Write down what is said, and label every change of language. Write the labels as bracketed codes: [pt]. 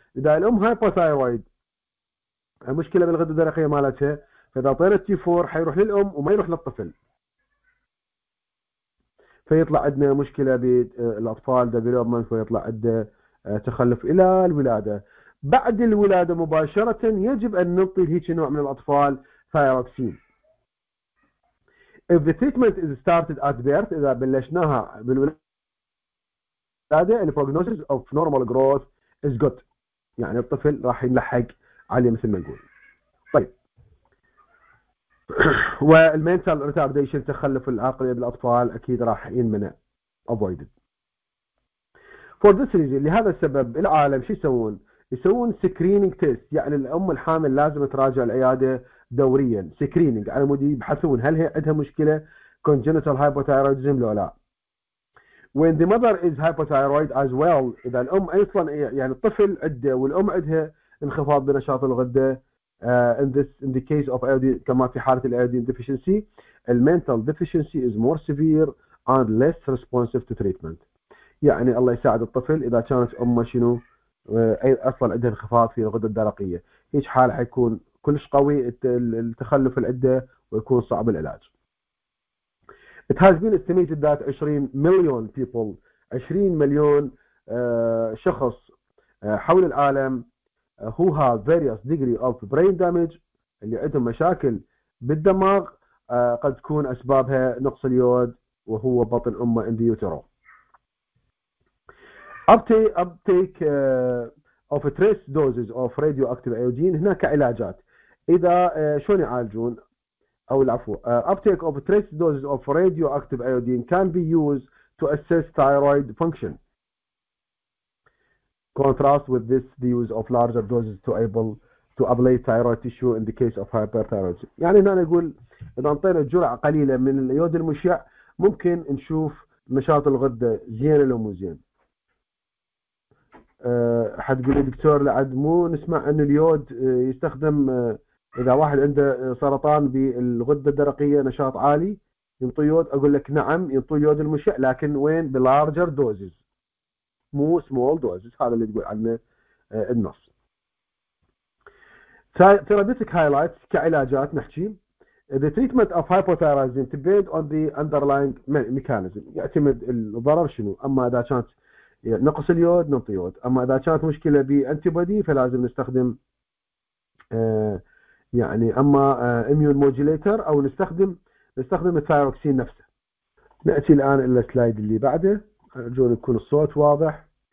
[ar] اذا الام هايبوثايرويد المشكله بالغده الدرقيه مالتها، فاذا اعطينا التي 4 حيروح للام وما يروح للطفل، فيطلع عندنا مشكله بالاطفال ديفلوبمنت، ويطلع عندنا تخلف الى الولاده. بعد الولاده مباشره يجب ان نعطي هيك نوع من الاطفال ثايروكسين. [en] If the treatment is started at birth، [ar] اذا بلشناها بالولاده، بعد [en] البروجنوزز اوف نورمال جروث از جود، [ar] يعني الطفل راح يلحق عليه مثل ما نقول. طيب والمينتال ريتارديشن، تخلف العقليه بالاطفال اكيد راح يمنع، افويدد. [en] for this reason, [ar] لهذا السبب العالم شو يسوون؟ يسوون سكرينينج تيست، يعني الام الحامل لازم تراجع العياده دوريا سكرينينج على مود يبحثون هل هي عندها مشكله كونجنتال هايبوثايرويدزم لو لا. [en] When the mother is hypothyroid as well، [ar] إذا الأم أصلاً يعني الطفل عنده والأم عندها انخفاض بنشاط الغدة، [en] in this in the case of iodine، [ar] كما في حالة الأيودين [en] deficiency، the mental deficiency is more severe and less responsive to treatment. [ar] يعني الله يساعد الطفل إذا كانت أمه شنو أصلاً عندها انخفاض في الغدة الدرقية، هيج حال حيكون كلش قوي التخلف العدة ويكون صعب العلاج. [en] It has been estimated that 20 مليون people، [ar] 20 مليون شخص حول العالم، [en] who have various degree of brain damage، [ar] اللي عندهم مشاكل بالدماغ، قد تكون أسبابها نقص اليود وهو بطن أمه [en] in the utero. Uptake of trace doses of radioactive iodine، [ar] هناك علاجات. إذا شلون يعالجون؟ أو العفو [en] uptake of trace doses of radioactive iodine can be used to assess thyroid function. Contrast with this the use of larger doses to able to ablate thyroid tissue in the case of hyperthyroidism. [ar] يعني هنا نقول إذا أعطينا جرعة قليلة من اليود المشع ممكن نشوف نشاط الغدة زين لو مو زين. حتقول لي دكتور لعد مو نسمع أن اليود يستخدم إذا واحد عنده سرطان بالغدة الدرقية نشاط عالي ينطي يود؟ أقول لك نعم ينطي يود المشع، لكن وين؟ بلارجر دوزز مو سمول دوزز، هذا اللي تقول عنه النص. ثيرابيتيك هايلايتس كعلاجات نحكي، [en] the treatment of hypothyroidism depend on the underlying mechanism، [ar] يعتمد الضرر شنو. أما إذا كانت نقص اليود ننطي يود، أما إذا كانت مشكلة بأنتيبودي فلازم نستخدم يعني اما اميون موديليتر او نستخدم الثايروكسين نفسه. ناتي الان الى السلايد اللي بعده، ارجو يكون الصوت واضح.